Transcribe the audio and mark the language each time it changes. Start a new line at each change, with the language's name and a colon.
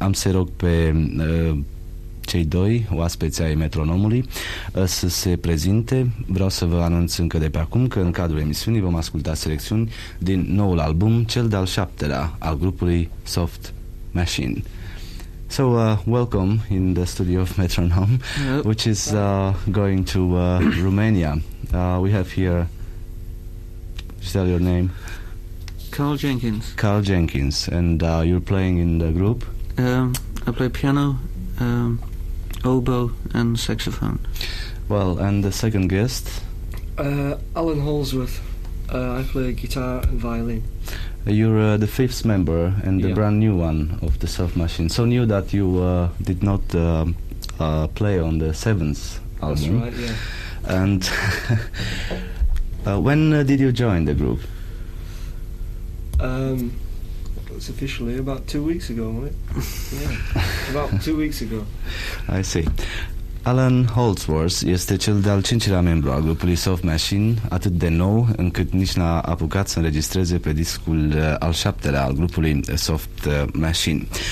Romanian: Am să-i rog pe cei doi oaspeți ai Metronomului să se prezinte. Vreau să vă anunț încă de pe acum că în cadrul emisiunii vom asculta selecțiuni din noul album, cel de-al 7-lea al grupului Soft Machine.
English: So, welcome in the studio of Metronom, which is going to Romania. We have here, just tell your name. Carl Jenkins. Carl Jenkins. And you're playing in the group? I play piano, oboe and saxophone. Well, and the second guest? Alan Holdsworth. I play guitar and violin. You're the fifth member and the brand new one of the Soft Machine. So new that you did not play on the seventh album. That's right, yeah. And when did you join the group? It's officially about 2 weeks ago, wasn't it? Yeah, about 2 weeks ago. I see.
Romanian: Alan Holdsworth este cel de-al cincilea membru al grupului Soft Machine, atât de nou încât nici n-a apucat să înregistreze pe discul al șaptelea al grupului Soft Machine.